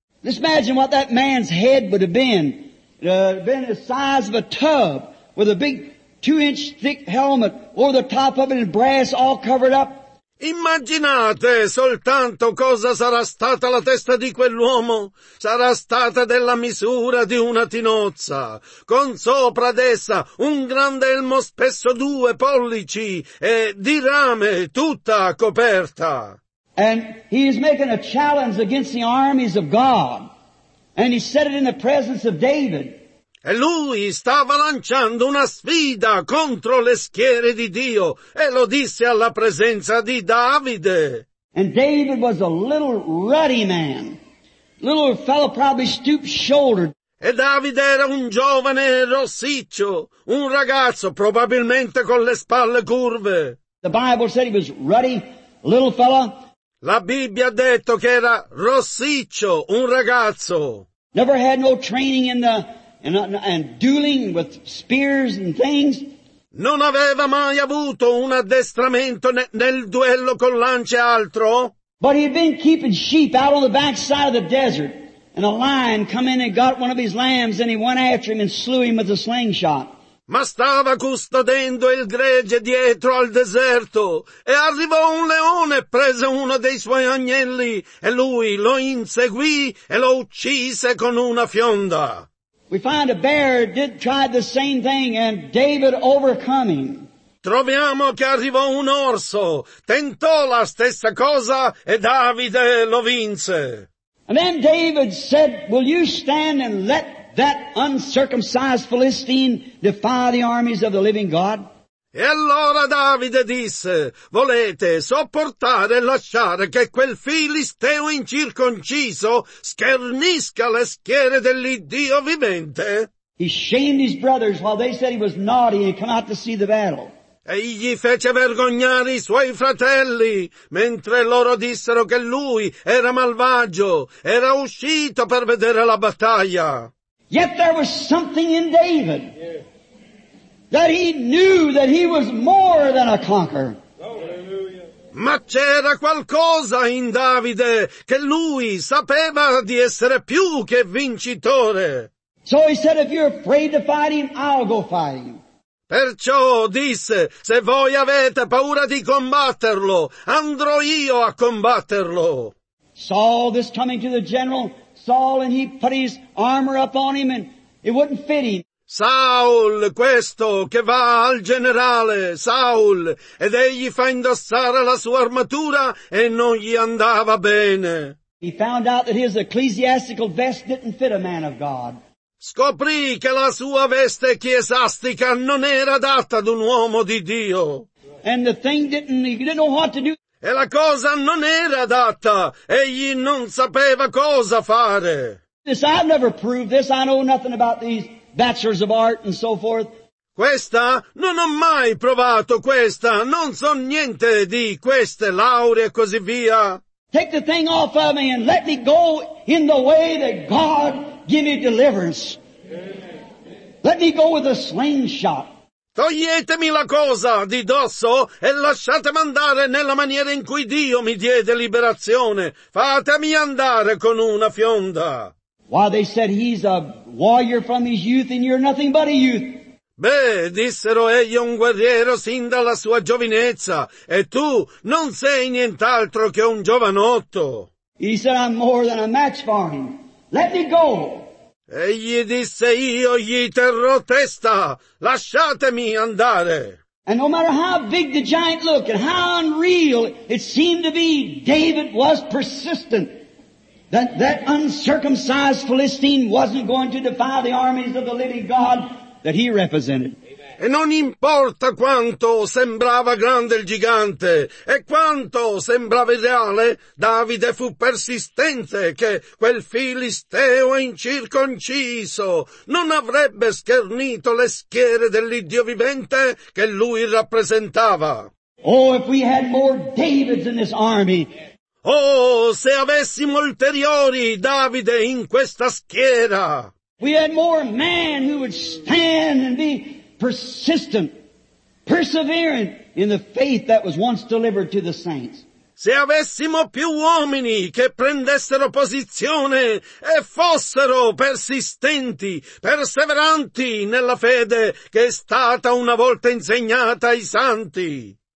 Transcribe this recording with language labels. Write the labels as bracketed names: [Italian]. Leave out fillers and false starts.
[English] Just imagine what that man's head would have been. It would have been the size of a tub with a big 2-inch thick helmet over the top of it and brass all covered up. [Italian] Immaginate soltanto cosa sarà stata la testa di quell'uomo. Sarà stata della misura di una tinozza, con sopra ad essa un grande elmo spesso 2 pollici e di rame tutta coperta. [English] And he is making a challenge against the armies of God, and he said it in the presence of David. [Italian] E lui stava lanciando una sfida contro le schiere di Dio e lo disse alla presenza di Davide. [English] And David was a little ruddy man, little fellow probably stoop-shouldered. [Italian] E Davide era un giovane rossiccio, un ragazzo probabilmente con le spalle curve. [English] The Bible said he was ruddy, little fellow. [Italian] La Bibbia ha detto che era rossiccio, un ragazzo. [English] Never had no training in the And dueling with spears and things. [Italian] Non aveva mai avuto un addestramento nel duello con lance altro. [English] But he had been keeping sheep out on the backside of the desert, and a lion come in and got one of his lambs, and he went after him and slew him with a slingshot. [Italian] Ma stava custodendo il gregge dietro al deserto, e arrivò un leone, prese uno dei suoi agnelli, e lui lo inseguì e lo uccise con una fionda. [English] We find a bear did try the same thing, and David overcome him. [Italian] Troviamo che arrivò un orso, tentò la stessa cosa, e Davide lo vinse. [English] And then David said, "Will you stand and let that uncircumcised Philistine defy the armies of the living God?" [Italian] E allora Davide disse, "Volete sopportare e lasciare che quel filisteo incirconciso schernisca le schiere dell'Iddio vivente?" [English] He shamed his brothers while they said he was naughty and come out to see the battle. [Italian] Egli fece vergognare i suoi fratelli, mentre loro dissero che lui era malvagio, era uscito per vedere la battaglia. [English] Yet there was something in David that he knew that he was more than a conqueror. [Italian] Ma c'era qualcosa in Davide che lui sapeva di essere più che vincitore. [English] So he said, if you're afraid to fight him, I'll go fight him. [Italian] Perciò disse, se voi avete paura di combatterlo, andrò io a combatterlo. [English] Saul, this coming to the general, Saul, and he put his armor up on him and it wouldn't fit him. [Italian] Saul, questo che va al generale, Saul, ed egli fa indossare la sua armatura e non gli andava bene. [English] He found out that his ecclesiastical vest didn't fit a man of God. [Italian] Scoprì che la sua veste ecclesiastica non era adatta ad un uomo di Dio. [English] And the thing didn't, he didn't know what to do. [Italian] E la cosa non era adatta, egli non sapeva cosa fare. [English] This, I've never proved this, I know nothing about these bachelors of art and so forth. [Italian] Questa? Non ho mai provato questa, non so niente di queste lauree e così via. [English] Take the thing off of me and let me go in the way that God give me deliverance. Let me go with a slingshot. [Italian] Toglietemi la cosa di dosso e lasciatemi andare nella maniera in cui Dio mi diede liberazione. Fatemi andare con una fionda. [English] Why, they said, he's a warrior from his youth and you're nothing but a youth. [Italian] Beh, dissero, egli è un guerriero sin dalla sua giovinezza e tu non sei nient'altro che un giovanotto. [English] He said, I'm more than a match for him. Let me go. [Italian] Egli disse, io gli terrò testa, lasciatemi andare. [English] And no matter how big the giant looked and how unreal it seemed to be, David was persistent. That uncircumcised Philistine wasn't going to defy the armies of the living God that he represented. [Italian] E non importa quanto sembrava grande il gigante e quanto sembrava ideale, Davide fu persistente che quel filisteo incirconciso non avrebbe schernito le schiere dell'Iddio vivente che lui rappresentava. [English] Oh, if we had more Davids in this army. [Italian] Oh, se avessimo ulteriori Davide in questa schiera. [English] We had more men who would stand and be persistent, perseverant in the faith that was once delivered to the saints. [Italian] Se avessimo più uomini che prendessero posizione e fossero persistenti, perseveranti nella fede che è stata una volta insegnata ai santi.